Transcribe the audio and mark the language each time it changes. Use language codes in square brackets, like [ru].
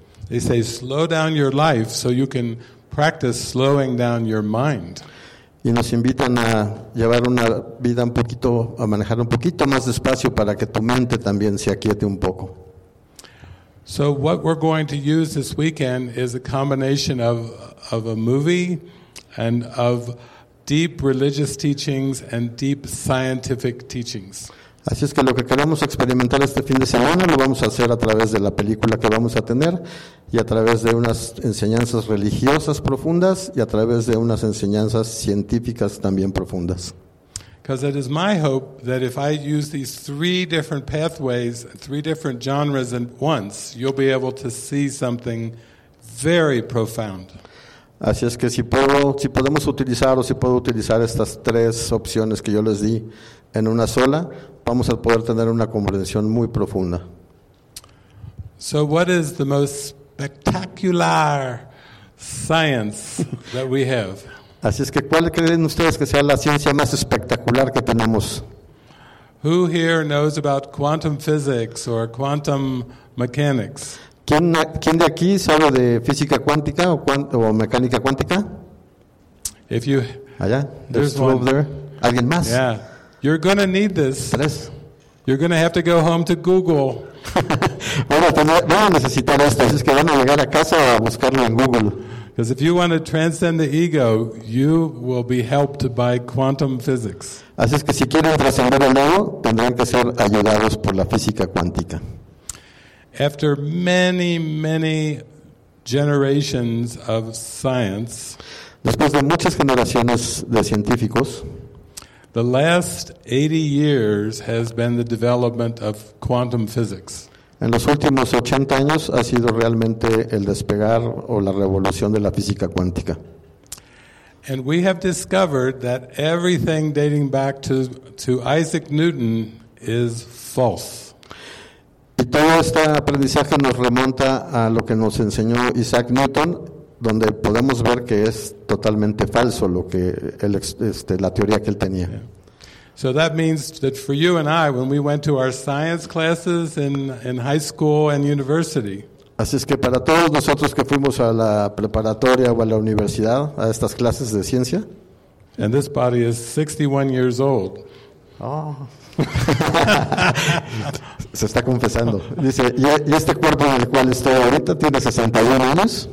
[en] They say slow down your life so you can practice slowing down your mind. [es] Y nos invitan a llevar una vida un poquito, a manejar un poquito más despacio para que tu mente también se aquiete un poco. [en] So what we're going to use this weekend is a combination of a movie and of deep religious teachings and deep scientific teachings. [es] Así es que lo que queremos experimentar este fin de semana lo vamos a hacer a través de la película que vamos a tener y a través de unas enseñanzas religiosas profundas y a través de unas enseñanzas científicas también profundas. [en] Because it is my hope that if I use these three different pathways, three different genres at once, you'll be able to see something very profound. [es] Así es que si puedo utilizar estas tres opciones que yo les di en una sola, vamos a poder tener una comprensión muy profunda. [en] So what is the most spectacular science that we have? [es] Así es que ¿cuál creen ustedes que sea la ciencia más espectacular que tenemos? [en] Who here knows about quantum physics or quantum mechanics? [es] ¿Quién de aquí sabe de física cuántica o mecánica cuántica? [en] If you [es] allá, [en] there's one over there. [es] ¿Alguien más? [en] Yeah. You're going to need this. [es] ¿Tres? [en] You're going to have to go home to Google. [es] Van a necesitar esto, así es que van a llegar a casa a buscarlo en Google. [en] Because if you want to transcend the ego, you will be helped by quantum physics. [es] Así es que si quieren trascender el ego, tendrán que ser ayudados por la física cuántica. [en] After many, many generations of science, [es] después de muchas generaciones de científicos, [en] the last 80 years has been the development of quantum physics. [es] En los últimos 80 años ha sido realmente el despegar o la revolución de la física cuántica. [en] And we have discovered that everything dating back to Isaac Newton is false. [es] Y todo este aprendizaje nos remonta a lo que nos enseñó Isaac Newton, donde podemos ver que es totalmente falso lo que él, la teoría que él tenía. [en] Yeah. So that means that for you and I, when we went to our science classes in high school and university. [es] Así es que para todos nosotros que fuimos a la preparatoria o a la universidad a estas clases de ciencia. [en] And this body is 61 years old. Oh. [es] Se está confesando. Dice, y este cuerpo en el cual estoy ahorita tiene 61 años.